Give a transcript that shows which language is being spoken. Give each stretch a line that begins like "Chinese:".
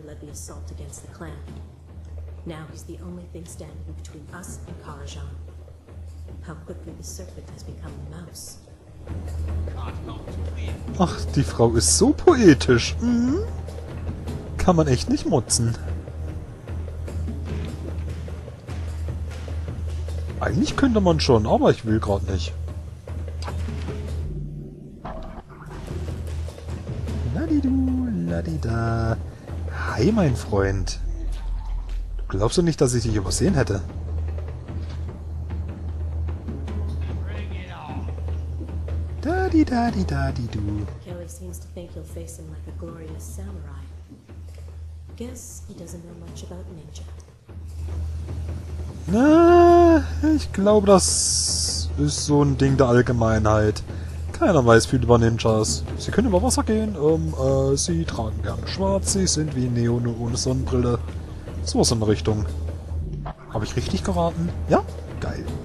English: Assault against the clan. Now he's the only thing standing between us and Karajan. How quickly the serpent has become the mouse.
German: Ach, die Frau ist so poetisch. Mhm. Kann man echt nicht motzen. Eigentlich könnte man schon, aber ich will gerade nicht. Ladidu, ladida. Hi, mein Freund. Du glaubst doch nicht, dass ich dich übersehen hätte. Daddy, daddy, daddy, du.
English: Kelly seems to think he'll face him like a glorious samurai. Guess he doesn't know much about ninja.
German: Na, ich glaube, das ist so ein Ding der Allgemeinheit. Keiner weiß viel über Ninjas. Sie können über Wasser gehen, sie tragen gerne schwarz, sie sind wie Neo nur ohne Sonnenbrille. So was in der Richtung. Habe ich richtig geraten? Ja? Geil.